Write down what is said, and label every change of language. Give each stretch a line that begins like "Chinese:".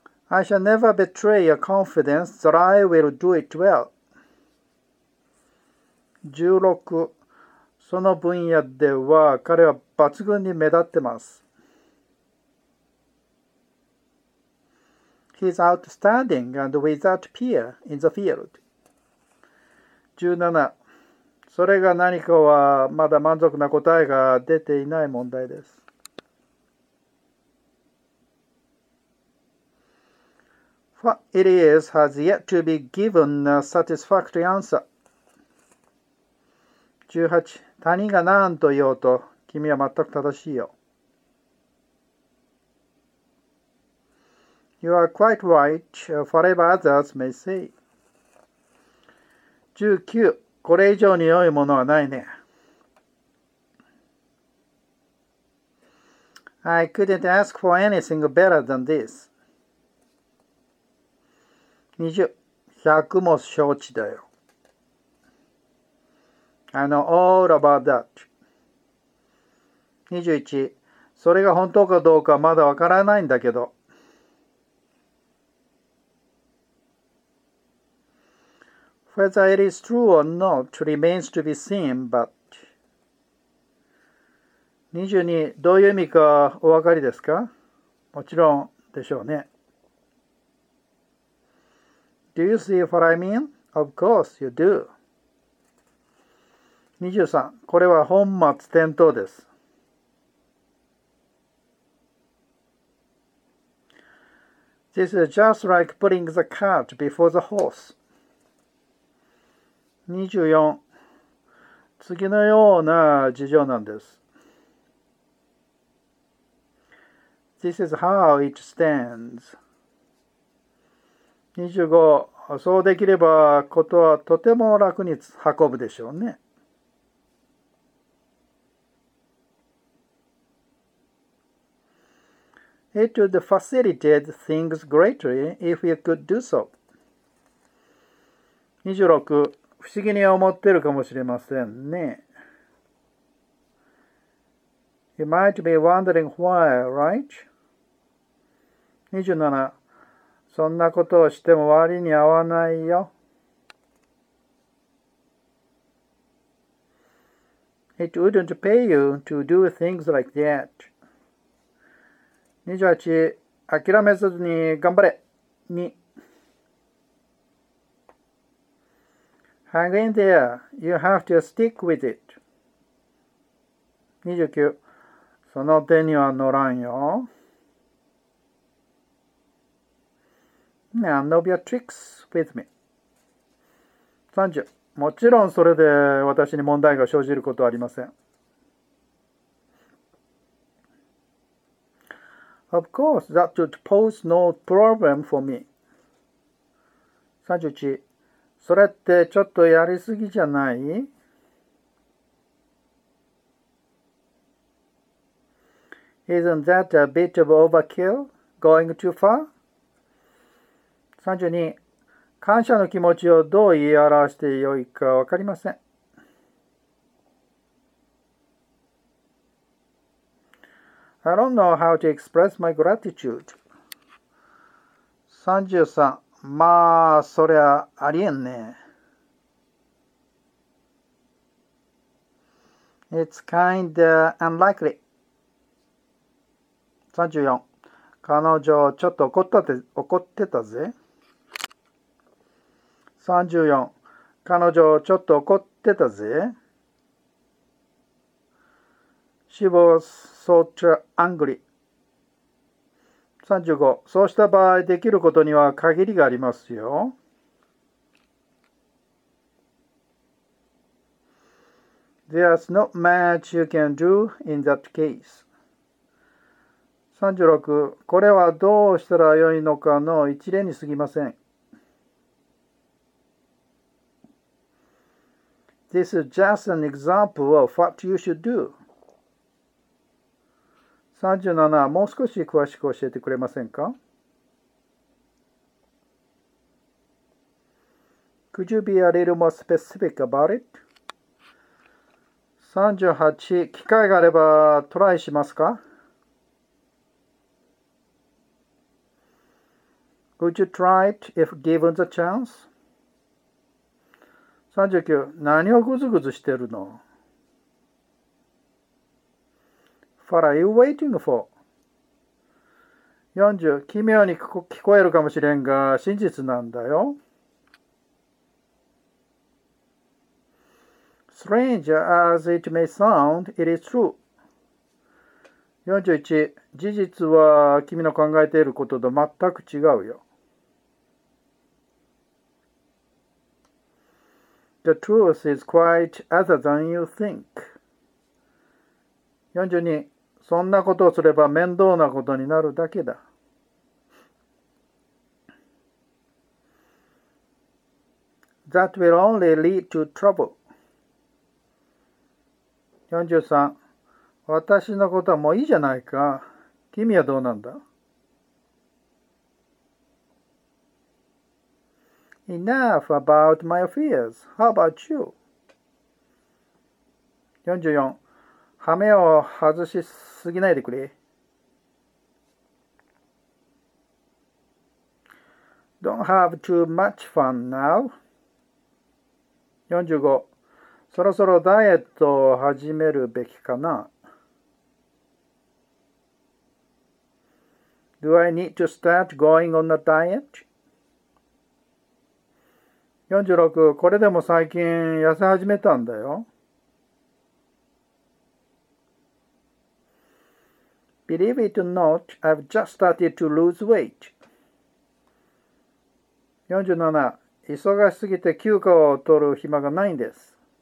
English: I shall never betray your confidence that I will do it well.
Japanese: 16。その分野では彼は抜群に目立ってます。
English: He's outstanding and without peer in the field.
Japanese: 17。それが何かはまだ満足な答えが出ていない問題です。
English: What it is has yet to be given a satisfactory answer.
Japanese: 18。他人が何と言おうと、君は全く正しいよ。
English: You are quite right, whatever others may say.
Japanese: 19。これ以上に良いものはないね。
English: I couldn't ask for anything better than this.
Japanese: 20。 100も承知だよ。
English: I know all about that.
Japanese: 21。それが本当かどうかまだわからないんだけど。
English: Whether it is true or not remains to be seen, but 22。
Japanese: どういう意味かお分かりですか？もちろんでしょうね。
English: Do you see what I mean? Of course you do.
Japanese: 23。 これは本末転倒です。
English: This is just like putting the cart before the horse.
Japanese: 24。次のような事情なんです。
English: This is how it stands. 25.
Japanese: そうできればことはとても楽に運ぶでしょうね。
English: It would facilitate things greatly if you could do so. 26.
Japanese: 不思議に思ってるかもしれませんね。
English: You might be wondering why, right? 27.
Japanese: そんなことをしても割に合わないよ。
English: It wouldn't pay you to do things like that.
Japanese: 28. 諦めずに頑張れ。2.
English: Hang in there. You have to stick with it.
Japanese: 29. その手には乗らんよ。
English: None of your tricks with me. 30.
Japanese: もちろんそれで私に問題が生じることはありません。
English: Of course, that would pose no problem for me. 31.
Japanese: それってちょっとやりすぎじゃない？
English: Isn't that a bit of overkill? Going too far? 32.
Japanese: 感謝の気持ちをどう言い表してよいかわかりません。
English: I don't know how to express my gratitude. 33.
Japanese: まあ、そりゃありえんね。
English: It's kind of unlikely. 34.
Japanese: 彼女ちょっと怒ってたぜ。
English: 34.
Japanese: 彼女ちょっと怒ってたぜ。
English: She was so angry. 35.
Japanese: そうした場合できることには限りがありますよ。
English: There's not much you can do in that case. 36.
Japanese: これはどうしたらよいのかの一例にすぎません。
English: This is just an example of what you should do. 37.
Japanese: もう少し詳しく教えてくれませんか?
English: Could you be a little more specific about it? 38.
Japanese: 機会があればトライしますか?
English: Would you try it if given the chance? 39.
Japanese: 何をグズグズしてるの?
English: What are you waiting for? 40.
Japanese: 奇妙に聞こえるかもしれんが真実なんだよ。
English: Strange as it may sound, it is true. 41.
Japanese: 事実は君の考えていることと全く違うよ。
English: The truth is quite other than you think. 42.
Japanese: そんなことをすれば面倒なことになるだけだ。
English: That will only lead to trouble. 43.
Japanese: 私のことはもういいじゃないか。君はどうなんだ?
English: Enough about my fears. How about you? 44.
Japanese: ハメを外しすぎないでくれ。
English: Don't have too much fun now. 45.
Japanese: そろそろダイエットを始めるべきかな。
English: Do I need to start going on a diet? 46.
Japanese: これでも最近痩せ始めたんだよ。
English: Believe it or not, I've just started to lose weight. 47.
Japanese: 忙しすぎて休暇を取る暇がないんです。